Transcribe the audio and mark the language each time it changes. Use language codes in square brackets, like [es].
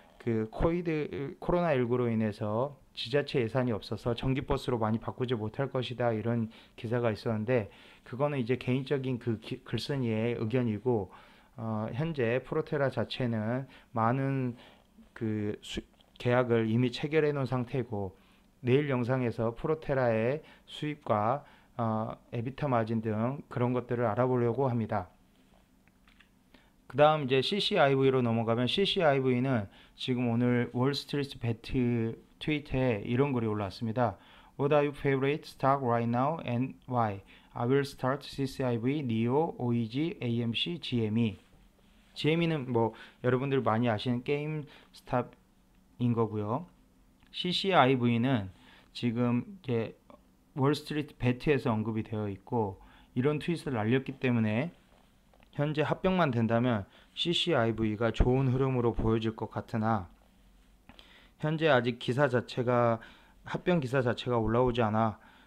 [ko] 그 코로나19로 인해서 지자체 예산이 없어서 전기버스로 많이 바꾸지 못할 것이다 이런 기사가 있었는데 그거는 이제 개인적인 글쓴이의 의견이고 현재 프로테라 자체는 많은 그 계약을 이미 체결해 놓은 상태고 내일 영상에서 프로테라의 수입과 에비타 마진 등 그런 것들을 알아보려고 합니다. 그 다음 이제 CCIV로 넘어가면 CCIV는 지금 오늘 월스트리트 배트 트윗에 이런 글이 올라왔습니다. [en] What are your favorite stock right now and why? I will start CCIV, NIO, OEG, AMC, GME. [ko] GME는 뭐 여러분들 많이 아시는 게임 스탑인 거고요. CCIV는 지금 이제 월스트리트 배트에서 언급이 되어 있고 이런 트윗을 날렸기 때문에 현재 합병만 된다면 CCIV가 좋은 흐름으로 보여질 것 같으나 현재 아직 기사 자체가 합병 기사 자체가 올라오지 않아